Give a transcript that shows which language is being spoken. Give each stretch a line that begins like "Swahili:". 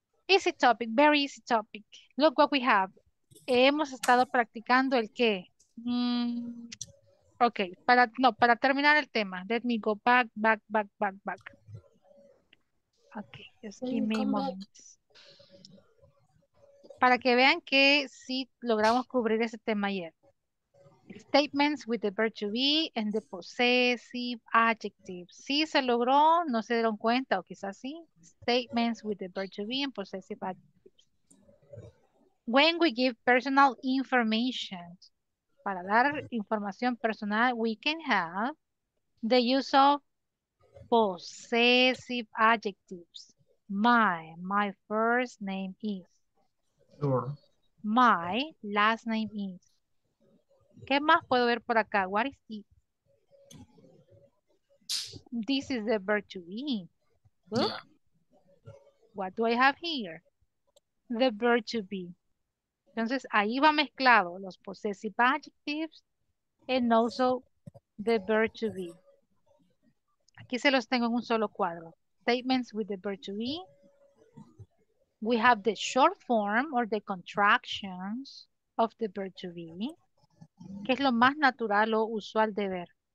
English: Easy topic, very easy topic. Look what we have.
Spanish: Hemos estado practicando el qué.
English: Ok,
Spanish: para, no, para terminar el tema.
English: Let me go back, back, back, back, back. Ok, just give me a moment.
Spanish: Para que vean que sí logramos cubrir ese tema ayer.
English: Statements with the verb to be and the possessive adjective.
Spanish: Sí se logró, no se dieron cuenta, o quizás sí.
English: Statements with the verb to be and possessive adjectives. When we give personal information,
Spanish: para dar información personal,
English: we can have the use of possessive adjectives. My first name is. Sure. My last name is.
Spanish: ¿Qué más puedo ver por acá?
English: What is this? This is the verb to be. Yeah. What do I have here? The verb to be.
Spanish: Entonces, ahí va mezclado los
English: possessive adjectives and also the verb to be.
Spanish: Aquí se los tengo en un solo cuadro.
English: Statements with the verb to be. We have the short form or the contractions of the verb to be.
Spanish: ¿Qué es lo más natural o usual de ver?